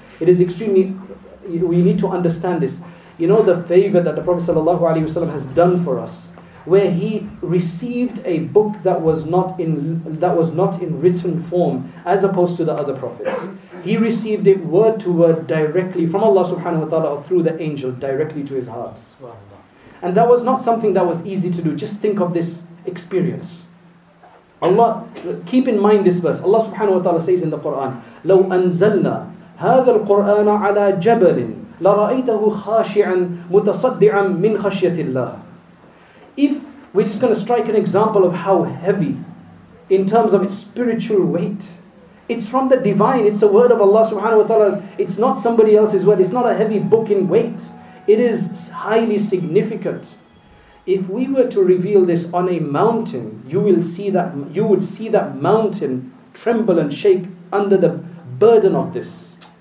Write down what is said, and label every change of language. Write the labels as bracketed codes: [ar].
[en] It is extremely, we need to understand this. You know the favor that the Prophet sallallahu alayhi wa sallam has done for us, where he received a book that was not in written form, as opposed to the other prophets. He received it word to word directly from Allah subhanahu wa ta'ala, or through the angel directly to his heart. And that was not something that was easy to do. Just think of this experience. Allah, keep in mind this verse. Allah subhanahu wa ta'ala says in the Quran, [ar] لو أنزلنا هذا القرآن على جبل لرأيته خاشعا متصدعا من خشية الله. [en] If we're just going to strike an example of how heavy, in terms of its spiritual weight, it's from the divine, it's the word of Allah subhanahu wa ta'ala, it's not somebody else's word, it's not a heavy book in weight, it is highly significant. If we were to reveal this on a mountain, you would see that mountain tremble and shake under the burden of this.